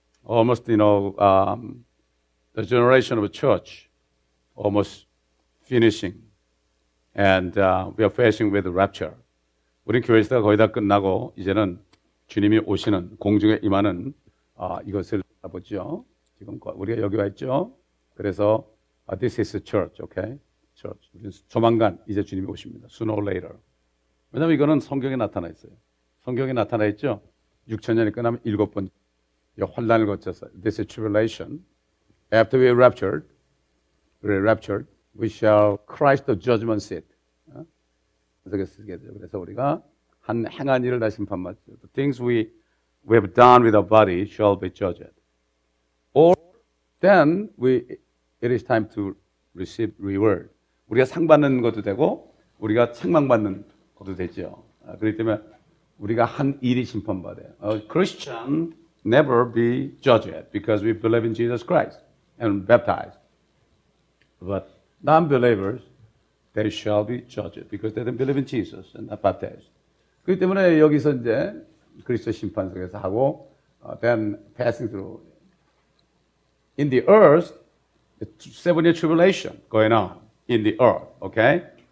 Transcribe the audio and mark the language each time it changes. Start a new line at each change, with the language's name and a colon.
English: Almost, you know, the generation of church almost finishing. And we are facing with rapture.
Korean: 우린 교회 시대가 거의 다 끝나고 이제는 주님이 오시는 공중에 임하는 이것을 보죠. 지금 우리가 여기 와 있죠. 그래서
English: this is a church, okay? Church.
Korean: 조만간 이제 주님이 오십니다.
English: Sooner or later.
Korean: 왜냐하면 이거는 성경에 나타나 있어요. 성경에 나타나 있죠. 6천년이 끝나면 7번 이 환난을 거쳐서
English: this is tribulation. After we are raptured, we shall Christ the judgment seat.
Korean: 어떻게 쓰게 되죠? 그래서 우리가 한 행한 일을 다시 심판받죠.
English: The things we have done with our body shall be judged. Or then it is time to receive reward.
Korean: 우리가 상 받는 것도 되고 우리가 책망받는 것도 되죠. 그렇기 때문에 우리가 한 일이 심판받아요.
English: A Christian never be judged because we believe in Jesus Christ and baptized. But non-believers, they shall be judged because they don't believe in Jesus and not baptized.
Korean: 그렇기 때문에 여기서 이제 그리스도 심판석에서 하고
English: then passing through in the earth, the seven-year tribulation going on in the earth, okay?